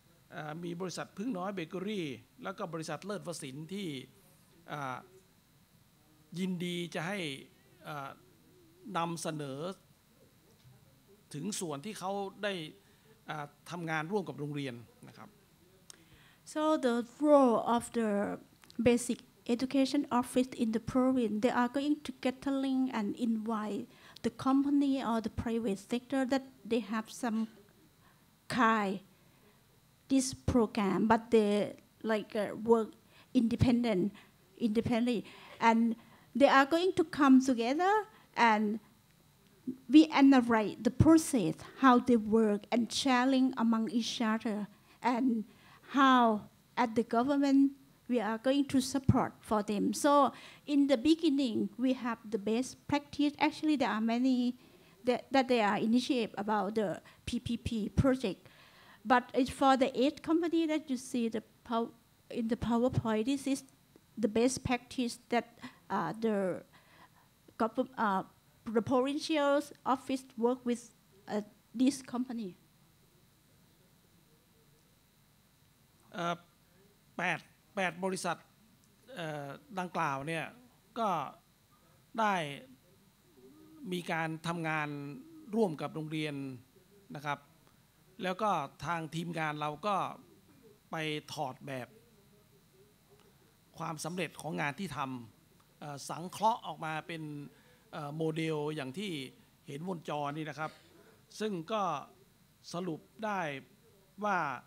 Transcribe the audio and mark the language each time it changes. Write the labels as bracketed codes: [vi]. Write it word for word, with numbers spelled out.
[th] เอ่อมีบริษัทพึ่งน้อยเบเกอรี่แล้วก็บริษัทเลิศวสินธุ์ที่เอ่อยินดีจะให้เอ่อนำเสนอ ถึงส่วนที่เขาได้อ่าทำงานร่วมกับโรงเรียนนะครับ [en] So the role of the basic education office in the province, they are going to get a link and invite the company or the private sector that they have some kind this program, but they like uh, work independent, independently, and they are going to come together and we analyze the process, how they work, and sharing among each other, and how at the government we are going to support for them. So in the beginning, we have the best practice. Actually, there are many that, that they are initiated about the P P P project. But it's for the eight company that you see the pow- in the PowerPoint, this is the best practice that uh, the gov- uh, the provincial office work with uh, this company. [th] เอ่อแปดแปดบริษัทเอ่อดังกล่าวเนี่ยก็ได้มีการทำงานร่วมกับโรงเรียนนะครับแล้วก็ทางทีมงานเราก็ไปถอดแบบความสำเร็จของงานที่ทำเอ่อสังเคราะห์ออกมาเป็นเอ่อโมเดลอย่างที่เห็นบนจอนี่นะครับซึ่งก็สรุปได้ว่า